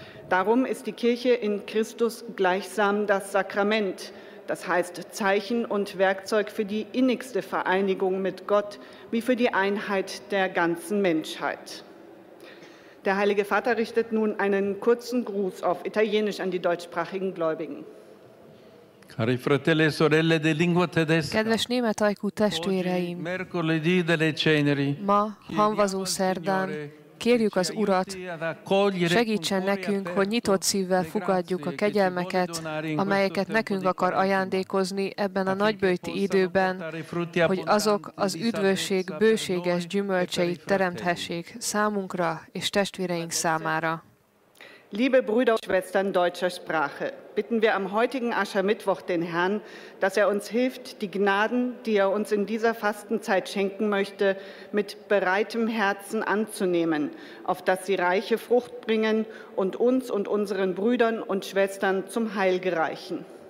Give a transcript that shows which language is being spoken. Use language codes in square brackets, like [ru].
[de] Darum ist die Kirche in Christus gleichsam das Sakrament, das heißt Zeichen und Werkzeug für die innigste Vereinigung mit Gott wie für die Einheit der ganzen Menschheit. Der Heilige Vater richtet nun einen kurzen Gruß auf Italienisch an die deutschsprachigen Gläubigen. [it] Cari fratelli e sorelle di lingua tedesca. [hu] Kedves német ajkú testvéreim. [it] Mercoledì delle ceneri. [hu] Ma, hanvazó szerdán, kérjük az Urat, segítsen nekünk, hogy nyitott szívvel fogadjuk a kegyelmeket, amelyeket nekünk akar ajándékozni ebben a nagybőti időben, hogy azok az üdvösség bőséges gyümölcseit teremthessék számunkra és testvéreink számára. [de] Liebe Brüder und Schwestern deutscher Sprache, bitten wir am heutigen Aschermittwoch den Herrn, dass er uns hilft, die Gnaden, die er uns in dieser Fastenzeit schenken möchte, mit bereitem Herzen anzunehmen, auf dass sie reiche Frucht bringen und uns und unseren Brüdern und Schwestern zum Heil gereichen.